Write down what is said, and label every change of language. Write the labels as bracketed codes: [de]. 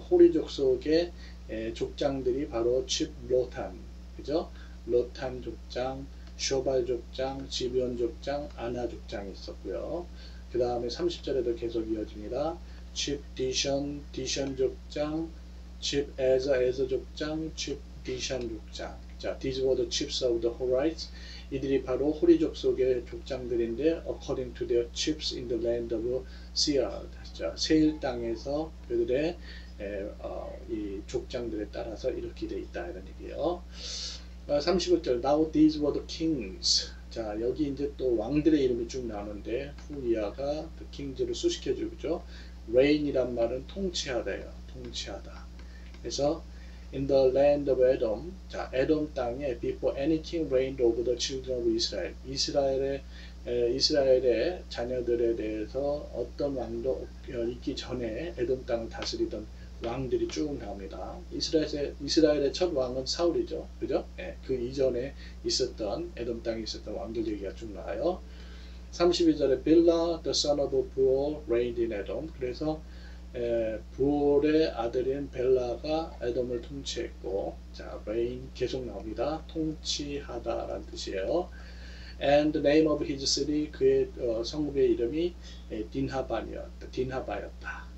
[ko] 호리 족속의 족장들이 바로 칩 로탄, 그죠? 로탄 족장, 쇼발 족장, 지비온 족장, 아나 족장이 있었고요. 그 다음에 30절에도 계속 이어집니다. 칩 디션, 디션 족장, 칩 에저, 에저 족장, 칩 디션 족장. 자, [en] These were the chiefs of the Horites. [ko] 이들이 바로 호리 족속의 족장들인데 [en] according to their chiefs in the land of Seir. [ko] 자, 세일 땅에서 그들의 이 족장들에 따라서 이렇게 돼 있다 이런 얘기예요. 35절 [en] Now these were the kings. [ko] 자, 여기 이제 또 왕들의 이름이 쭉 나오는데 후이아가 the kings를 수식해 주죠. reign이란 말은 통치하다예요. 통치하다. 그래서 [en] In the land of Edom, 자, Edom 땅에 before any king reigned over the children of Israel. [ko] 이스라엘의 자녀들에 대해서 어떤 왕도 있기 전에 Edom 땅을 다스리던 왕들이 쭉 나옵니다. 이스라엘의 첫 왕은 사울이죠. 그죠? 예, 그 이전에 있었던, Edom 땅에 있었던 왕들 얘기가 쭉 나와요. [en] 32절에 Bila, the son of Beor, reigned in Edom. [ko] 그래서 부올의 아들인 벨라가 에돔을 통치했고 자 레인 계속 나옵니다. 통치하다 라는 뜻이에요. [en] And the name of his city [ko] 그의 성읍의 이름이 딘하바였다.